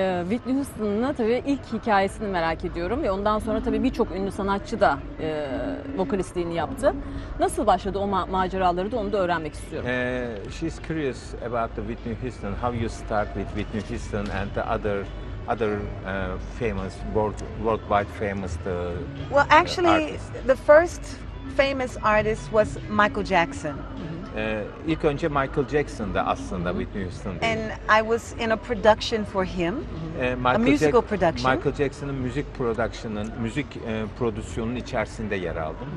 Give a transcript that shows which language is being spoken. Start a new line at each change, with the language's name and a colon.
Turkish: Whitney Houston'la tabii ilk hikayesini merak ediyorum ve ondan sonra tabii birçok ünlü sanatçı da vokalistliğini yaptı. Nasıl başladı o maceraları da onu da öğrenmek istiyorum.
English: She's curious about the Whitney Houston. How you start with Whitney Houston and the other famous worldwide famous the Well, actually the first famous artist was Michael Jackson. Mm-hmm.
Turkish: İlk önce Michael Jackson'dı aslında, Whitney Houston'dı.
English: And I was in a production for him, a musical production.
Turkish: Michael Jackson'ın müzik production'ın, müzik prodüksiyonunun içerisinde yer aldım.